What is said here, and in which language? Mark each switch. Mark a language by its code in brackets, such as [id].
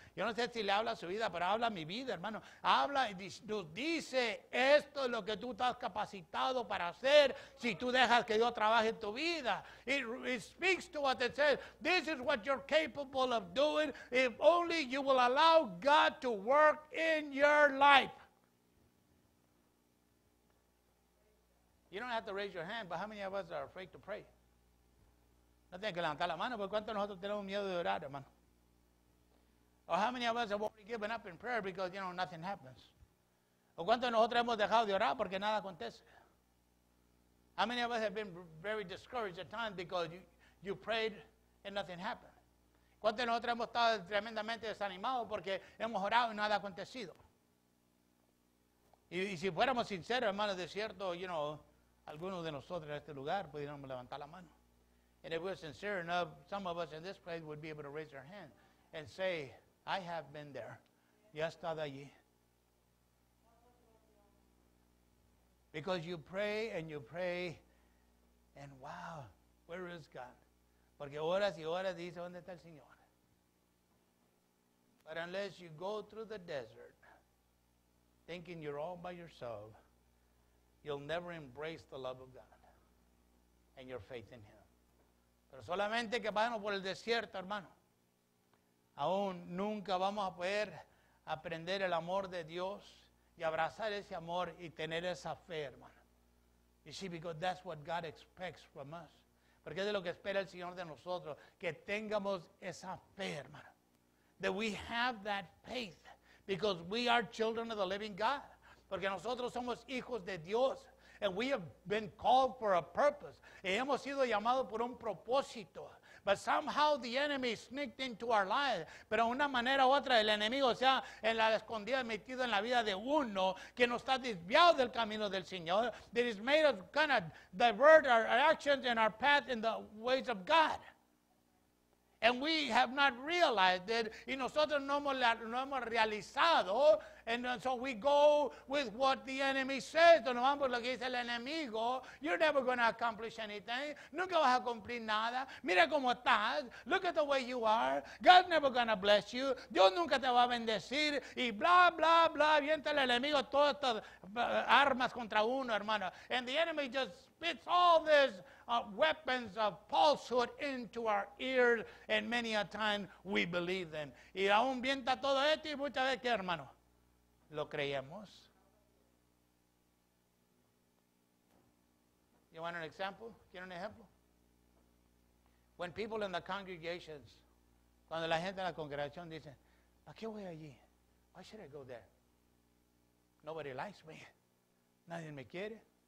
[es] Yo no sé si le habla a su vida, pero habla a mi vida, hermano. Habla y nos dice, esto es lo que tú estás capacitado para hacer si tú dejas que Dios trabaje en tu vida. [en] It speaks to what it says. This is what you're capable of doing if only you will allow God to work in your life. You don't have to raise your hand, but how many of us are afraid to pray? [es] No tienen que levantar la mano, porque ¿cuántos nosotros tenemos miedo de orar, hermano? [en] Or how many of us have already given up in prayer because, you know, nothing happens? [es] ¿O cuántos nosotros hemos dejado de orar porque nada acontece? [en] How many of us have been very discouraged at times because you prayed and nothing happened? [es] ¿Cuántos nosotros hemos estado tremendamente desanimados porque hemos orado y nada ha acontecido? Y si fuéramos sinceros, hermano, de cierto, [en] you know, [es] algunos de nosotros en este lugar pudiéramos levantar la mano. [en] And if we're sincere enough, some of us in this place would be able to raise our hand and say, I have been there. [es] Yo he estado allí. [en] Because you pray and you pray, and wow, where is God? [es] Porque horas y horas dice, ¿dónde está el Señor? [en] But unless you go through the desert thinking you're all by yourself, you'll never embrace the love of God and your faith in Him. [es] Pero solamente que vayamos por el desierto, hermano. Aún nunca vamos a poder aprender el amor de Dios y abrazar ese amor y tener esa fe, hermano. [en] You see, because that's what God expects from us. [es] Porque es de lo que espera el Señor de nosotros, que tengamos esa fe, hermano. [en] That we have that faith, because we are children of the living God. [es] Porque nosotros somos hijos de Dios, [en] and we have been called for a purpose. [es] Y hemos sido llamados por un propósito. [en] But somehow the enemy sneaked into our lives. [es] Pero de una manera u otra, el enemigo se ha en la escondida metido en la vida de uno que nos está desviado del camino del Señor. [en] That has made us kind of divert our actions and our path in the ways of God. And we have not realized it. [es] Y nosotros no hemos realizado. [en] And so we go with what the enemy says. [es] Nos vamos lo que dice el enemigo. [en] You're never going to accomplish anything. [es] Nunca vas a cumplir nada. Mira cómo estás. [en] Look at the way you are. God's never going to bless you. [es] Dios nunca te va a bendecir. Y bla, bla, bla. Avienta el enemigo todas estas armas contra uno, hermano. [en] And the enemy just spits all this weapons of falsehood into our ears, and many a time we believe them. [es] Y aún vienta todo esto y muchas veces, hermano, lo creemos. [en] You want an example? [es] ¿Quieren un ejemplo? [en] When people in the congregations, [es] cuando la gente en la congregación dice, ¿a qué voy allí? [en] Why should I go there? Nobody likes me. [es] Nadie me quiere.